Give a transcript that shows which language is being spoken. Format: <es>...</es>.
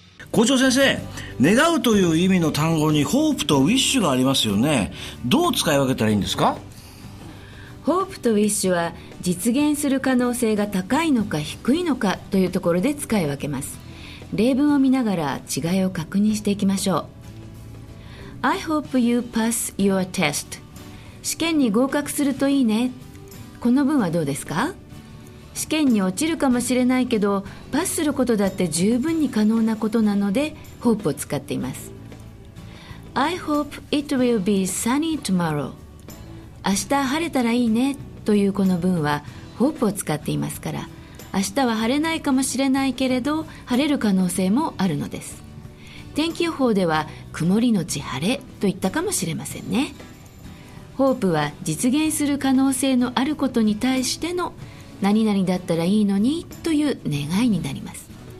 <ja>校長先生、願うという意味の単語に Hope と Wish がありますよね。どう使い分けたらいいんですか？ Hope と Wish は実現する可能性が高いのか低いのかというところで使い分けます。例文を見ながら違いを確認していきましょう。</ja> <en>I hope you pass your test.</en> <ja>試験に合格するといいね。この文はどうですか？試験に落ちるかもしれないけど、パスすることだって十分に可能なことなので、hope を使っています。</ja> <en>I hope it will be sunny tomorrow.</en> <ja>明日晴れたらいいねというこの文は、hope を使っていますから、明日は晴れないかもしれないけれど、晴れる可能性もあるのです。天気予報では曇りのち晴れと言ったかもしれませんね。ホープは実現する可能性のあることに対しての何々だったらいいのにという願いになります。</ja>